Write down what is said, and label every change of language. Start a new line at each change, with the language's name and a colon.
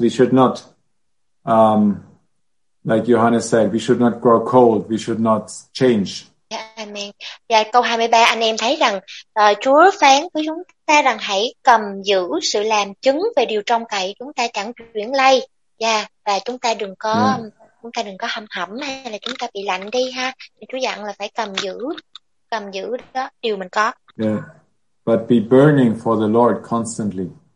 English: We should not like Johannes said, we should not grow cold, we should not change. Amen.
Vietnamese: Dạ, câu 23 anh em thấy rằng Chúa phán với chúng ta rằng hãy cầm giữ sự làm chứng về điều trông cậy chúng ta chẳng chuyển lay. Dạ, và chúng ta đừng có chúng ta đừng có hầm hẩm hay là chúng ta bị lạnh đi ha. Chúa dặn là phải cầm giữ đó điều mình có.
English: Yeah. But be burning for the Lord constantly.